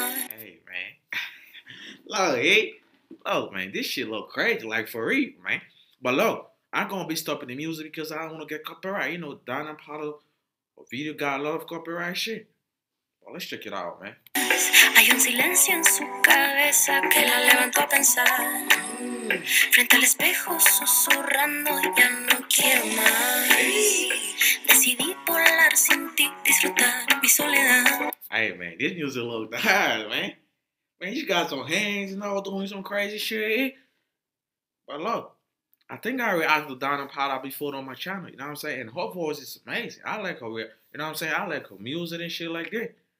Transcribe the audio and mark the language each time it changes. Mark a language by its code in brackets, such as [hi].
[en] Hey, man. Look, man, this shit look crazy, like for real, man. But look, I'm gonna be stopping the music because I don't wanna get copyright. You know, Danna Paola video got a lot of copyright shit. Well, let's check it out, man. [es] Hay un silencio en su cabeza que la levantó a pensar. Frente al espejo susurrando, ya no quiero más. Decidí volar sin ti, disfrutar mi soledad. [en] Hey man, this music look bad, man. Man, she got some hands and all doing some crazy shit. But look, I think I reacted to Danna Paola before on my channel, you know what I'm saying? And her voice is amazing. I like her, you know what I'm saying? I like her music and shit like that.